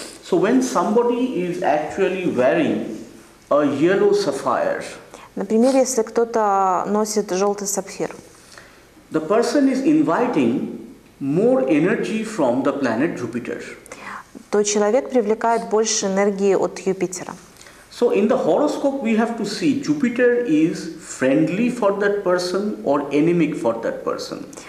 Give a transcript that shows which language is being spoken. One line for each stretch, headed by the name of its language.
English: So when somebody is actually wearing a yellow sapphire,
Russian: например, если кто-то носит желтый сапфир,
English: the person is inviting more energy from the planet Jupiter.
Russian: То человек привлекает больше энергии от Юпитера.
English: So in the horoscope we have to see Jupiter is friendly for that person or enemic for that person.